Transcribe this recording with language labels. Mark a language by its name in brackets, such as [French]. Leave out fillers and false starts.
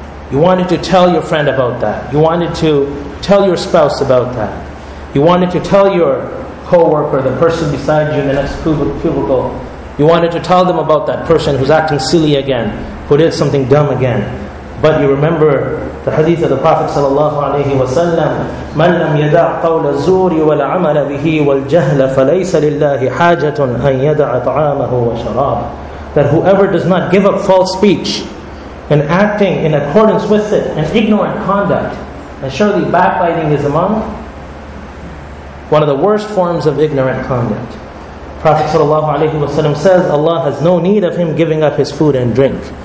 [English] You wanted to tell your friend about that. You wanted to tell your spouse about that. You wanted to tell your co-worker, the person beside you in the next cubicle. You wanted to tell them about that person who's acting silly again, who did something dumb again. But you remember the hadith of the Prophet ﷺ, [Arabic] مَنْ لَمْ يَدَعْ قَوْلَ الزُّورِ وَالْعَمَلَ بِهِ وَالْجَهْلَ فَلَيْسَ لِلَّهِ حَاجَةٌ أَنْ يَدَعَ طَعَامَهُ وَشَرَابَ. [English] That whoever does not give up false speech and acting in accordance with it and ignorant conduct, and surely backbiting is among one of the worst forms of ignorant conduct. Prophet ﷺ says, Allah has no need of him giving up his food and drink.